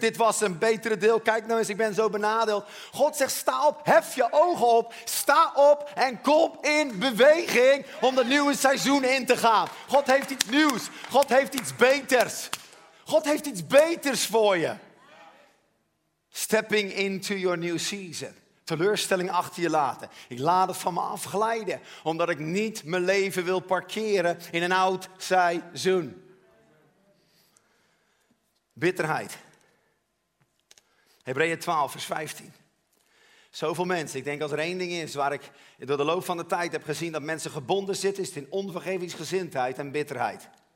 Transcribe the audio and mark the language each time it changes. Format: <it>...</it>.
<nl>Dit was een betere deel. Kijk nou eens, ik ben zo benadeeld. God zegt, sta op, hef je ogen op. Sta op en kom in beweging om de nieuwe seizoen in te gaan. God heeft iets nieuws. God heeft iets beters. God heeft iets beters voor je.</nl> <en>Stepping into your new season.</en> <nl>Teleurstelling achter je laten. Ik laat het van me afglijden. Omdat ik niet mijn leven wil parkeren in een oud seizoen. Bitterheid. Hebreeën 12, vers 15. Zoveel mensen. Ik denk als er één ding is waar ik door de loop van de tijd heb gezien dat mensen gebonden zitten, is het in onvergevingsgezindheid en bitterheid.</nl>